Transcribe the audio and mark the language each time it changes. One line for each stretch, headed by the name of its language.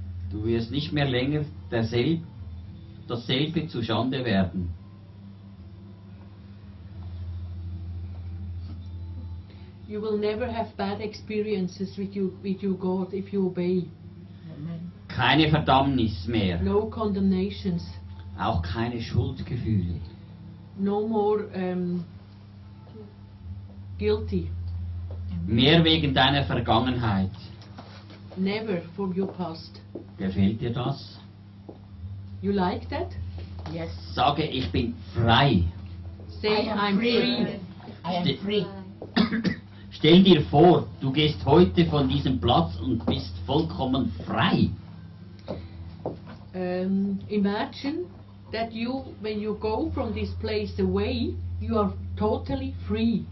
German: Du wirst nicht mehr länger dasselbe zu Schande werden.
English: You will never have bad experiences with you God if you obey.
German: Keine Verdammnis mehr.
English: No condemnations.
German: Auch keine Schuldgefühle.
English: No more guilty.
German: Mehr wegen deiner Vergangenheit.
English: Never for your past.
German: Gefällt dir das?
English: You like that? Yes.
German: Sage, ich bin frei.
English: Say, I'm free. I am free.
German: Stell dir vor, du gehst heute von diesem Platz und bist vollkommen frei.
English: Imagine that you, when you go from this place away, you are totally free.